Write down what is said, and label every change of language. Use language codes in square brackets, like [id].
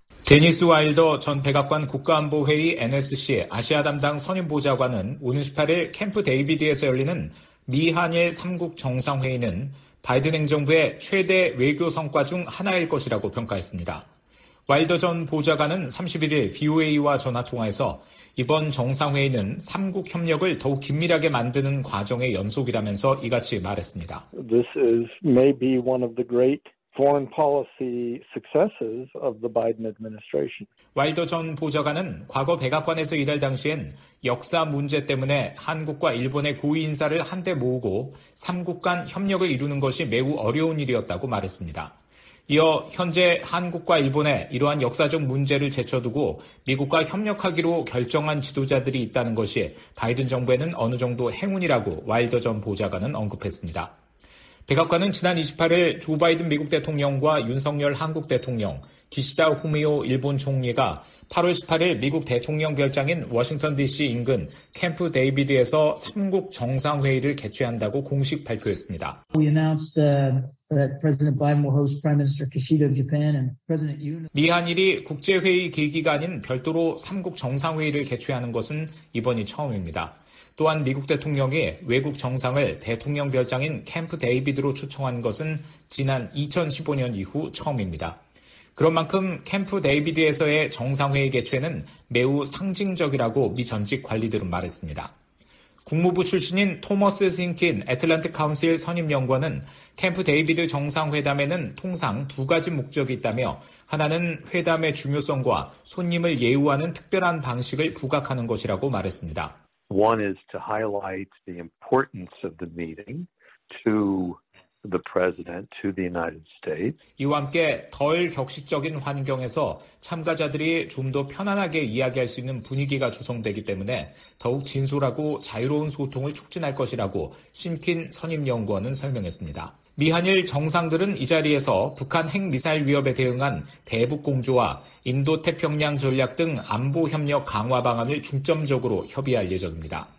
[ko] 데니스 와일더 전 백악관 국가안보회의 NSC 아시아 담당 선임 보좌관은 오는 18일 캠프 데이비드에서 열리는 미한일 3국 정상회의는 바이든 행정부의 최대 외교 성과 중 하나일 것이라고 평가했습니다. 와일더 전 보좌관은 31일 VOA와 전화 통화에서 이번 정상회의는 3국 협력을 더욱 긴밀하게 만드는 과정의 연속이라면서 이같이 말했습니다. [en] This is maybe one of the great foreign policy successes of the Biden administration. [ko] 와일더 전 보좌관은 과거 백악관에서 일할 당시엔 역사 문제 때문에 한국과 일본의 고위 인사를 한데 모으고 3국 간 협력을 이루는 것이 매우 어려운 일이었다고 말했습니다. 이어 현재 한국과 일본에 이러한 역사적 문제를 제쳐두고 미국과 협력하기로 결정한 지도자들이 있다는 것이 바이든 정부에는 어느 정도 행운이라고 와일더 전 보좌관은 언급했습니다. 백악관은 지난 28일 조 바이든 미국 대통령과 윤석열 한국 대통령, 기시다 후미오 일본 총리가 8월 18일 미국 대통령 별장인 워싱턴 DC 인근 캠프 데이비드에서 3국 정상회의를 개최한다고 공식 발표했습니다. [en] We announced that President Biden will host Prime Minister Kishida of Japan and President Yoon. [ko] 미한일이 국제회의 계기가 아닌 별도로 3국 정상회의를 개최하는 것은 이번이 처음입니다. 또한 미국 대통령이 외국 정상을 대통령 별장인 캠프 데이비드로 초청한 것은 지난 2015년 이후 처음입니다. 그런 만큼 캠프 데이비드에서의 정상회의 개최는 매우 상징적이라고 미 전직 관리들은 말했습니다. 국무부 출신인 토머스 싱킨 애틀랜틱 카운슬 선임 연구원은 캠프 데이비드 정상회담에는 통상 두 가지 목적이 있다며 하나는 회담의 중요성과 손님을 예우하는 특별한 방식을 부각하는 것이라고 말했습니다. [en] One is to highlight the importance of the meeting to the president, to the United States. [ko] 이와 함께 덜 격식적인 환경에서 참가자들이 좀 더 편안하게 이야기할 수 있는 분위기가 조성되기 때문에 더욱 진솔하고 자유로운 소통을 촉진할 것이라고 신킨 선임 연구원은 설명했습니다. 미한일 정상들은 이 자리에서 북한 핵미사일 위협에 대응한 대북공조와 인도태평양 전략 등 안보협력 강화 방안을 중점적으로 협의할 예정입니다.